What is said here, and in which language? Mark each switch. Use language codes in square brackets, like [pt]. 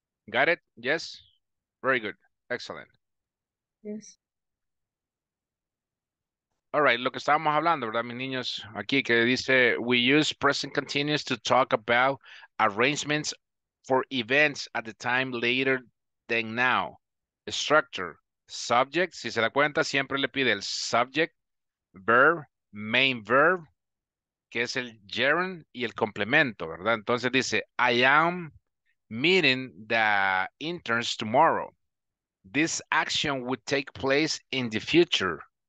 [en] Got it? Yes. Very good. Excellent. Yes. [es] All right, lo que estábamos hablando, ¿verdad, mis niños? Aquí que dice, [en] we use present continuous to talk about arrangements for events at the time later than now. [es] Structure, subject, si se da cuenta, siempre le pide el subject, verb, main verb, que es el gerund y el complemento, ¿verdad? Entonces dice, [en] I am meeting the interns tomorrow. This action would take place in the future.